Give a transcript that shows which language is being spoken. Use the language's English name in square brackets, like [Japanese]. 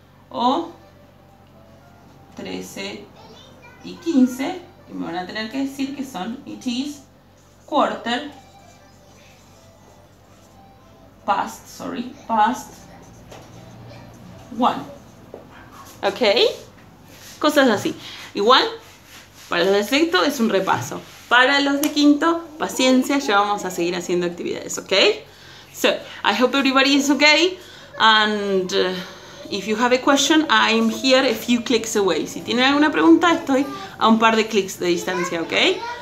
[Spanish] O 13 y 15, y me van a tener que decir que son [English] it is quarter past, sorry, past 1. [Spanish] ¿Ok? Cosas así. Igual, para los de sexto es un repaso. Para los de quinto, paciencia, ya vamos a seguir haciendo actividades, ¿ok? [English] So, I hope everybody is okay, and... If you have a question, I'm here a few clicks away. [Spanish] Si tienen alguna pregunta, estoy a un par de clics de distancia, ¿ok?